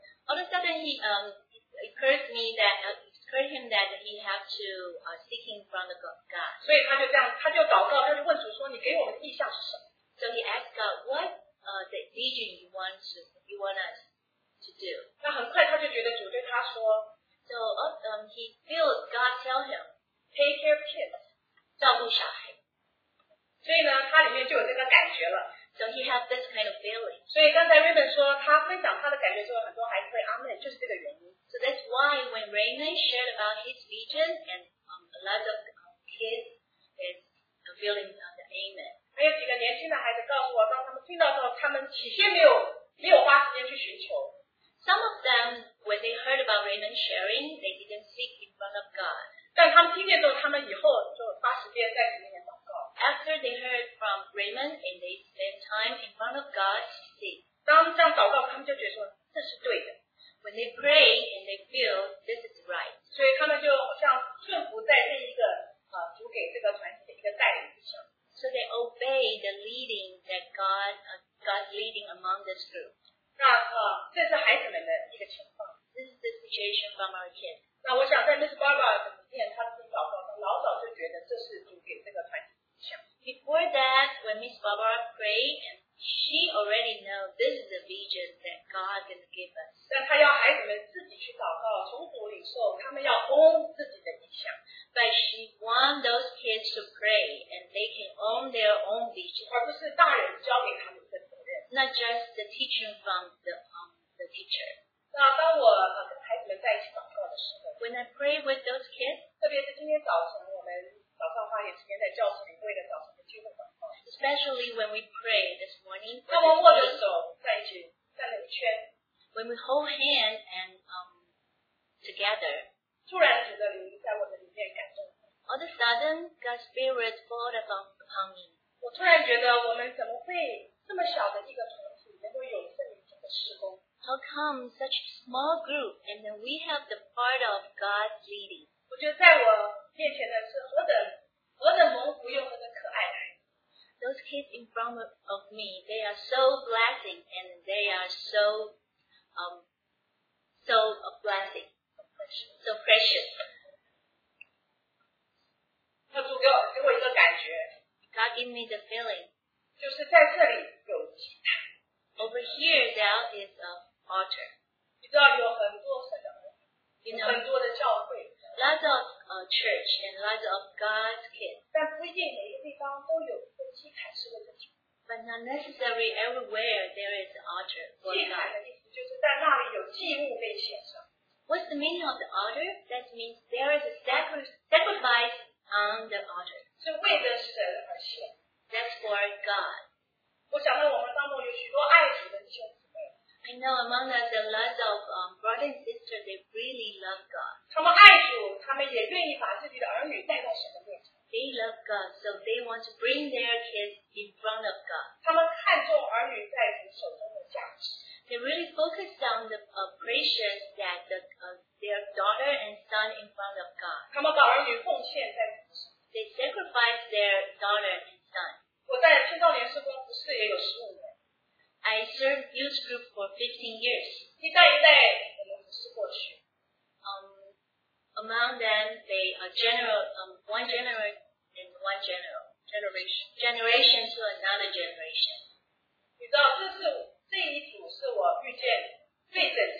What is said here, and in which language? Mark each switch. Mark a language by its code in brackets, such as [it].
[en] All of a sudden, he occurred to me that occurred him that he has to seeking from the God. [zh] 所以他就这样，他就祷告，他就问主说：“你给我们的意象是什么？” [en] So he asked God, "What the vision you want us to do?" [zh] 那很快他就觉得主对他说 [en] ，So he feels God tell him, "Take care of kids, [zh] 照顾小孩。所以呢，他里面就有这个感觉了。 [en] So he has this kind of feeling. [zh] 所以刚才 Raymond 说他分享他的感觉之后，很多孩子会 amen， 就是这个原因。 [en] So that's why when Raymond shared about his vision and a lot of kids is feeling the amen. [zh] 还有几个年轻的孩子告诉我，当他们听到之后，他们起先没有花时间去寻求。 [en] Some of them when they heard about Raymond sharing, they didn't seek in front of God. [zh] 但他们听见之后，他们以后就花时间在里面。 [en] After they heard from Raymond and they spent time in front of God to see. [zh] 当这样祷告，他们就觉得说这是对的。 [en] When they pray and they feel this is right. [zh] 所以他们就好像顺服在这一个主给这个团体的一个带领之上。 [en] So they obey the leading that God leading among this group. [zh] 那这是孩子们的一个情况。 [en] This is the situation from our kids. [zh] 那我想在 Miss Barbara 的里面，他自己祷告，他老早就觉得这是主给这个团体。 [en] Before that, when Miss Barbara prayed, and she already knows this is the vision that God is going to give us. [zh] 但她要孩子们自己去祷告，从主领受，他们要 own 自己的意向。 [en] But she wants those kids to pray, and they can own their own vision. [zh] 而不是大人交给他们的责任。 [en] Not just the teaching from the teacher. [zh] 那当我跟孩子们在一起祷告的时候 [en] ，When I pray with those kids, [zh] 特别是今天早晨我们。早上花点时间在教室里为了早晨的聚会祷告。 [en] Especially when we pray this morning. [zh] 他们握着手在一起站了一圈。 [en] When we hold hands and together. [zh] 突然主的灵在我的里面感动。 [en] All of a sudden, God's spirit fall upon me. [zh] 我突然觉得我们怎么会这么小的一个团体能够有圣灵这个施工 [en] ？How come such small group and then we have the part of God's leading? [zh] 我觉得在我面前的是何等蒙福又何等可爱的孩子。 [en] Those kids in front of me, they are so blessing and they are so so a blessing, so precious. [zh] 他主给我一个感觉。 [en] God give me the feeling. [zh] 就是在这里有祭坛。 [en] Over here, there is an altar. [zh] 你知道有很多神的儿女， [en] you know, [zh] 很多的教会。 [en] Lots of church and lots of God's kids. But not necessarily everywhere there is an altar for God. What's the meaning of the altar? That means there is a sacrifice on the altar. That's for God. I know among us a lot of brothers and sisters, they really love God. [zh] 他们爱主，他们也愿意把自己的儿女带到神的面前。 [en] They love God, so they want to bring their kids in front of God. [zh] 他们看重儿女在主手中的价值。 [en] They really focus on the precious that their daughter and son in front of God. [zh] 他们把儿女奉献在主手中。 [en] They sacrifice their daughter and son. [zh] 我在青少年施工服事也有15年。 [en] I served youth group for 15 years. [zh] 一代一代我们是过去。 [en] Among them, they are one generation and one generation to another generation. [zh] 你知道，这一组是我遇见最整